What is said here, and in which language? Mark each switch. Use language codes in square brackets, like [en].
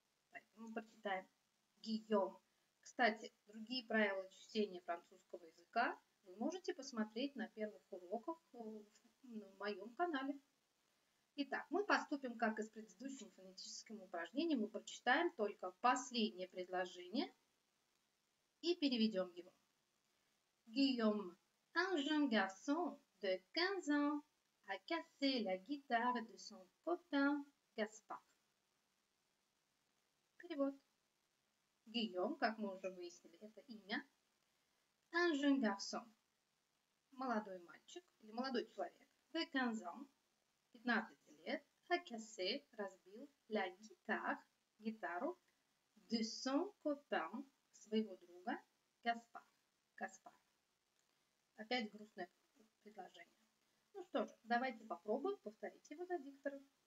[ru] Поэтому мы прочитаем Гийом. Кстати, другие правила чтения французского языка вы можете посмотреть на первых уроках на моем канале. Итак, мы поступим, как и с предыдущим фонетическим упражнением. Мы прочитаем только последнее предложение и переведем его. [fr] Guillaume, un jeune garçon de 15 ans, a cassé la guitare de son copain Gaspard. [ru] Перевод. Guillaume, как мы уже выяснили, это имя. [fr] Un jeune garçon. [ru] Молодой мальчик или молодой человек. [fr] De 15 ans, 15 [ru] лет, [fr] a cassé, [ru] разбил [fr] la guitare, [ru] гитару, [fr] de son copain, [ru] своего друга, [fr] Gaspard. Gaspard. [ru] Опять грустное предложение. Ну что ж, давайте попробуем повторить его за диктором.